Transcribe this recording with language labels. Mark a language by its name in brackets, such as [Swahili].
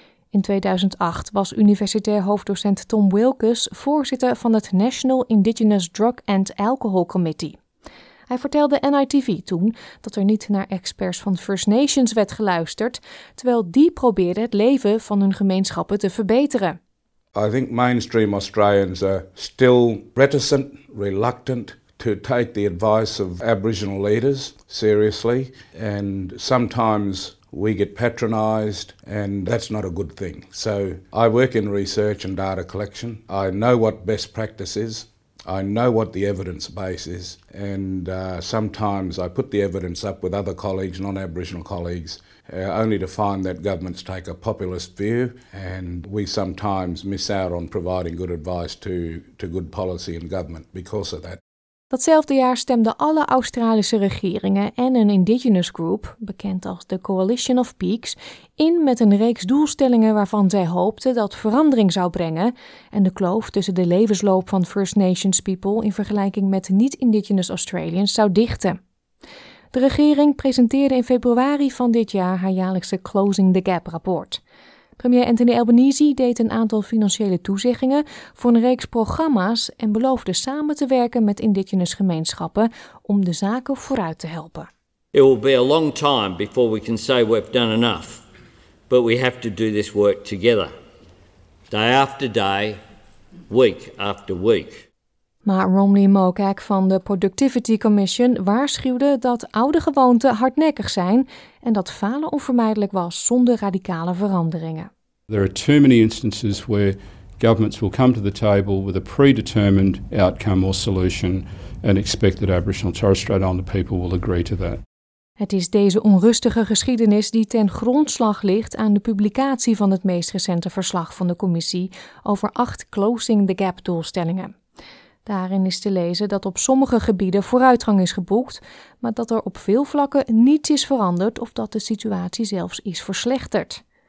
[Dutch] In 2008 was universitair hoofddocent Tom Wilkes voorzitter van het National Indigenous Drug and Alcohol Committee. Hij vertelde NITV toen dat er niet naar experts van First Nations werd geluisterd, terwijl die probeerden het leven van hun gemeenschappen te verbeteren. [English] I think mainstream Australians are still reticent, reluctant to take the advice of Aboriginal leaders seriously and sometimes we get patronized and that's not a good thing. So I work in research and data collection. I know what best practice is. I know what the evidence base is. And sometimes I put the evidence up with other colleagues, non-Aboriginal colleagues, only to find that governments take a populist view and we sometimes miss out on providing good advice to good policy and government because of that. [Dutch] Datzelfde jaar stemden alle Australische regeringen en een Indigenous group, bekend als de Coalition of Peaks, in met een reeks doelstellingen waarvan zij hoopten dat verandering zou brengen en de kloof tussen de levensloop van First Nations people in vergelijking met niet-Indigenous Australians zou dichten. De regering presenteerde in februari van dit jaar haar jaarlijkse Closing the Gap rapport. Premier Anthony Albanese deed een aantal financiële toezeggingen voor een reeks programma's en beloofde samen te werken met Indigenous gemeenschappen om de zaken vooruit te helpen. [English] It will be a long time before we can say we've done enough, but we have to do this work together, day after day, week after week. [Dutch] Maar Romney Mokak van de Productivity Commission waarschuwde dat oude gewoonten hardnekkig zijn en dat falen onvermijdelijk was zonder radicale veranderingen. [English] There are too many instances where governments will come to the table with a predetermined outcome or solution and expect that Aboriginal and Torres Strait Islander people will agree to that. [Dutch] Het is deze onrustige geschiedenis die ten grondslag ligt aan de publicatie van het meest recente verslag van de commissie over 8 Closing the Gap doelstellingen. Daarin is te lezen dat op sommige gebieden vooruitgang is geboekt, maar dat er op veel vlakken niets is veranderd of dat de situatie zelfs is verslechterd.